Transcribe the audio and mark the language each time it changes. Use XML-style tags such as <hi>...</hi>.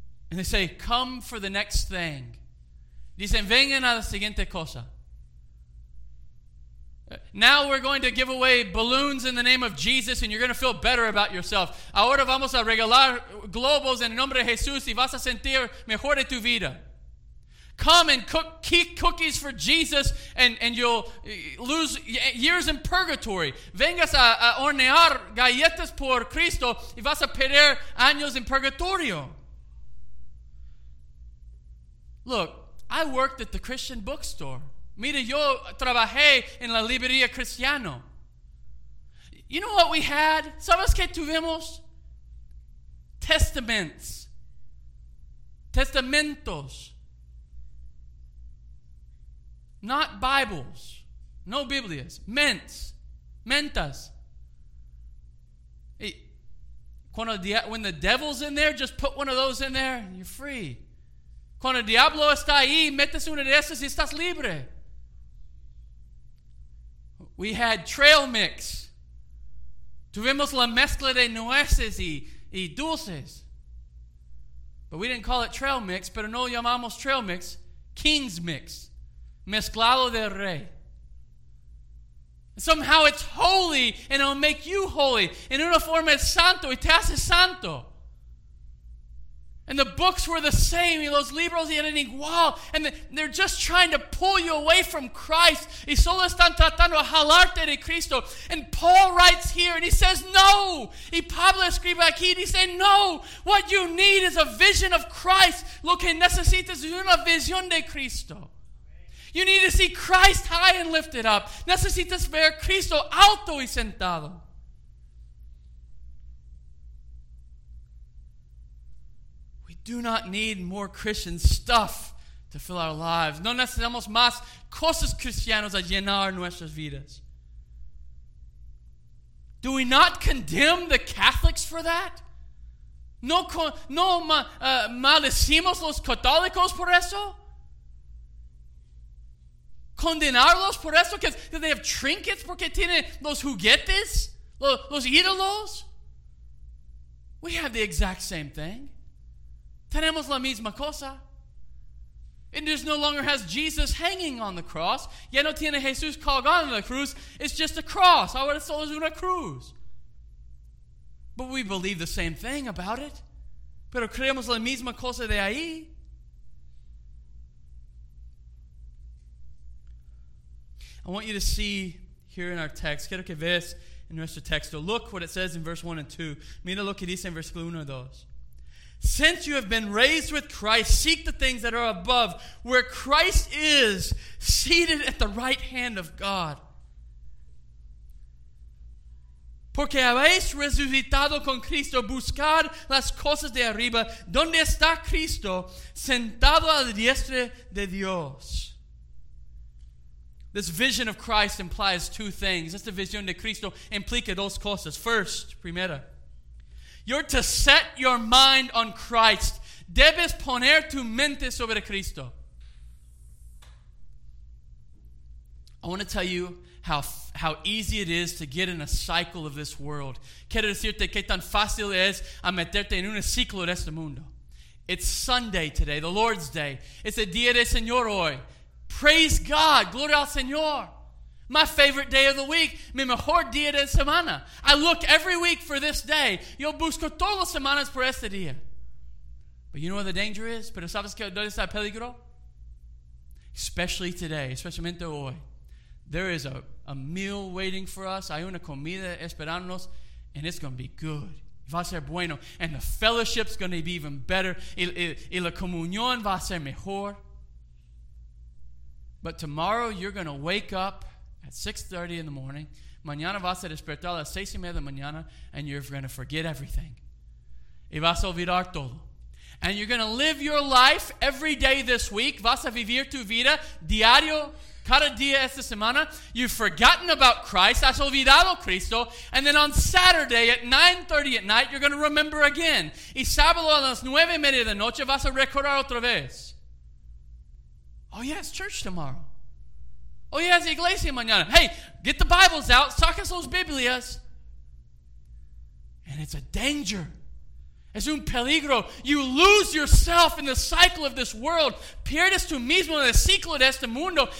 <en>And they say, come for the next thing.</en> <es>Dicen, vengan a la siguiente cosa.</es> <en>Now we're going to give away balloons in the name of Jesus and you're going to feel better about yourself.</en> <es>Ahora vamos a regalar globos en el nombre de Jesús y vas a sentir mejor de tu vida.</es> <en>Come and cook key cookies for Jesus and you'll lose years in purgatory.</en> <es>Vengas a hornear galletas por Cristo y vas a perder años en purgatorio.</es> <en>Look, I worked at the Christian bookstore.</en> <es>Mira, yo trabajé en la librería cristiana.</es> <en>You know what we had?</en> <es>¿Sabes qué tuvimos?</es> <en>Testaments.</en> <es>Testamentos.</es> <en>Not Bibles.</en> <es>No Biblias.</es> <en>Ments.</en> <es>Mentas.</es> <en>When the devil's in there, just put one of those in there and you're free.</en> <es>Cuando el diablo está ahí, metes una de esas y estás libre.</es> <en>We had trail mix.</en> <es>Tuvimos la mezcla de nueces y dulces.</es> <en>But we didn't call it trail mix,</en> <es>pero no llamamos</es> <en>trail mix, King's mix.</en> <es>Mezclado del rey.</es> <en>Somehow it's holy and it'll make you holy.</en> <es>En una forma es santo y te hace santo.</es> <en>And the books were the same.</en> <es>Y los libros eran igual.</es> <en>And they're just trying to pull you away from Christ.</en> <es>Y solo están tratando a jalarte de Cristo.</es> <en>And Paul writes here and he says no.</en> <es>Y Pablo escribe aquí</es> <en>and he says no. What you need is a vision of Christ.</en> <es>Lo que necesitas es una visión de Cristo.</es> <en>You need to see Christ high and lifted up.</en> <es>Necesitas ver Cristo alto y sentado.</es> <en>Do not need more Christian stuff to fill our lives.</en> <es>No necesitamos más cosas cristianas a llenar nuestras vidas.</es> <en>Do we not condemn the Catholics for that?</en> <es>¿No maldecimos los católicos por eso? ¿Condenarlos por eso? ¿Que</es> <en>they have trinkets</en> <es>porque tienen los juguetes? ¿Los ídolos?</es> <en>We have the exact same thing.</en> <es>Tenemos la misma cosa.</es> <en>It just no longer has Jesus hanging on the cross.</en> <es>Ya no tiene Jesús colgado en la cruz.</es> <en>It's just a cross.</en> <es>Ahora solo es una cruz.</es> <en>But we believe the same thing about it.</en> <es>Pero creemos la misma cosa de ahí.</es> <en>I want you to see here in our text.</en> <es>Quiero que veas en nuestro texto.</es> <en>Look what it says in verse 1 and 2.</en> <es>Mira lo que dice en versículo 1 y 2.</es> <en>Since you have been raised with Christ, seek the things that are above, where Christ is seated at the right hand of God.</en> <es>Porque habéis resucitado con Cristo, buscad las cosas de arriba, donde está Cristo, sentado a la diestra de Dios.</es> <en>This vision of Christ implies two things.</en> <es>Esta visión de Cristo implica dos cosas.</es> <en>First,</en> <es>primera,</es> <en>you're to set your mind on Christ.</en> <es>Debes poner tu mente sobre Cristo.</es> <en>I want to tell you how easy it is to get in a cycle of this world.</en> <es>Quiero decirte qué tan fácil es a meterte en un ciclo de este mundo.</es> <en>It's Sunday today, the Lord's Day. It's a</en> <es>día de Señor hoy.</es> <en>Praise God.</en> <es>Gloria al Señor.</es> <en>My favorite day of the week.</en> <es>Mi mejor día de semana.</es> <en>I look every week for this day.</en> <es>Yo busco todas las semanas por este día.</es> <en>But you know what the danger is?</en> <es>Pero sabes que donde está el peligro?</es> <en>Especially today.</en> <es>Especialmente hoy.</es> <en>There is a meal waiting for us.</en> <es>Hay una comida esperándonos.</es> <en>And it's going to be good.</en> <es>Va a ser bueno.</es> <en>And the fellowship's going to be even better.</en> <es>Y la comunión va a ser mejor.</es> <en>But tomorrow you're going to wake up at 6:30 in the morning.</en> <es>Mañana vas a despertar a las 6:30 de mañana,</es> <en>and you're going to forget everything.</en> <es>Y vas a olvidar todo.</es> <en>And you're going to live your life every day this week.</en> <es>Vas a vivir tu vida diario, cada día esta semana.</es> <en>You've forgotten about Christ.</en> <es>Has olvidado Cristo.</es> <en>And then on Saturday at 9:30 at night, you're going to remember again.</en> <es>Y sábado a las 9:30 de noche vas a recordar otra vez.</es> <en>Oh yeah, it's church tomorrow. Oh yeah, it's</en> <es>iglesia mañana.</es> <en>Hey, get the Bibles out.</en> <es>Sacas los Biblias.</es> <en>And it's a danger.</en> <es>Es un peligro.</es> <en>You lose yourself in the cycle of this world.</en> <es>Pierdes tú mismo en el ciclo de este mundo.</es>